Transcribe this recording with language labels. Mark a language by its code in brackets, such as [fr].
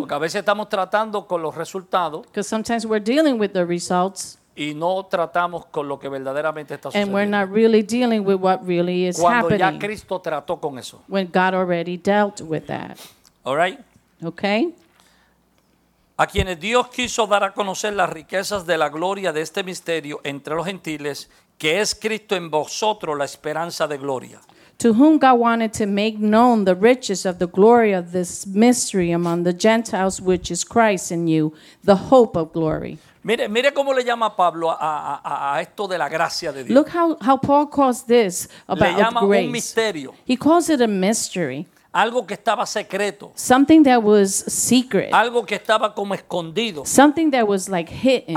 [es] Porque a veces estamos tratando con los resultados. [en] Because sometimes we're dealing with the results. [es] Y no tratamos con lo que verdaderamente está sucediendo. [en] And we're not really dealing with what really is [es] cuando [en] happening. [es] Cuando ya Cristo trató con eso. [en] When God already dealt with that. All right. Okay. [es] A quienes Dios quiso dar a conocer las riquezas de la gloria de este misterio entre los gentiles, que es Cristo en vosotros la esperanza de gloria. [en] to whom God wanted to make known the riches of the glory of this mystery among the Gentiles, which is Christ in you, the hope of glory. [es] Mire, mire cómo le llama Pablo a esto de la gracia de Dios. [en] Look how Paul calls this about [es] grace. Le llama [en] grace. [es] Un misterio. [en] He calls it a mystery. [es] Algo que estaba secreto. [en] Something that was secret. [es] Algo que estaba como escondido. [en] Something that was like hidden.